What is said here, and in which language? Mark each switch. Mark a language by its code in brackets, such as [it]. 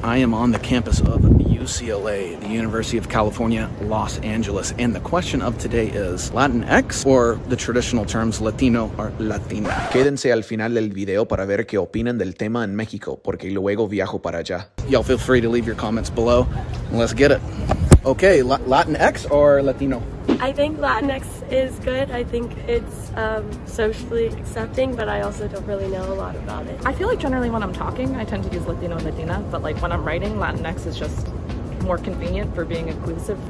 [en] I am on the campus of UCLA, the University of California, Los Angeles. And the question of today is Latinx or the traditional terms Latino or Latina? [es] Quédense al final del video para ver qué opinan del tema en México. Porque luego viajo para allá. [en] Y'all feel free to leave your comments below. Let's get it. Okay, Latinx or Latino? I think Latinx is good. I think it's socially accepting, but I also don't really know a lot about it. I feel like generally when I'm talking, I tend to use Latino and Latina, but like when I'm writing, Latinx is just more convenient for being inclusive.